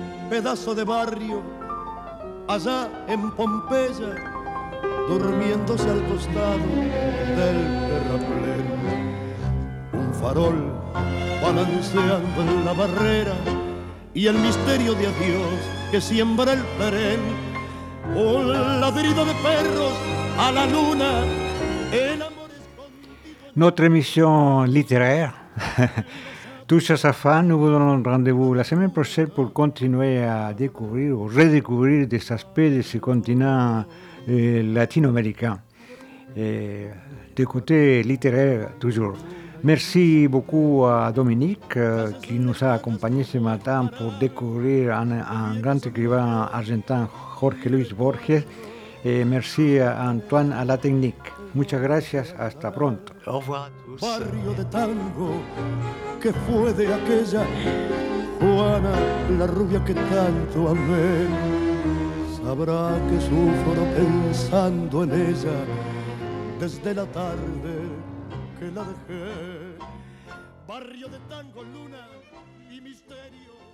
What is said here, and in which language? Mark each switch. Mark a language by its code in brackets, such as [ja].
[es] Pedazo de barrio, allá en Pompeya, durmiéndose al costado del terraplén. Un farol balanceando en la barrera y el misterio de adiós que siembra el perén. Un ladrido de perros a la luna, el amor escondido. [fr] Notre émission littéraire. Touche à sa fin, nous vous donnons rendez-vous la semaine prochaine pour continuer à découvrir ou redécouvrir des aspects de ce continent latino-américain. Et de côté littéraire, toujours. Merci beaucoup à Dominique qui nous a accompagnés ce matin pour découvrir un grand écrivain argentin, Jorge Luis Borges. Et merci à Antoine à la technique. [es] Muchas gracias, hasta pronto. [fr] Au revoir a tous. [es] Barrio de tango, que fue de aquella Juana, la rubia que tanto amé. Sabrá que sufro pensando en ella desde la tarde que la dejé. Barrio de tango, luna y misterio.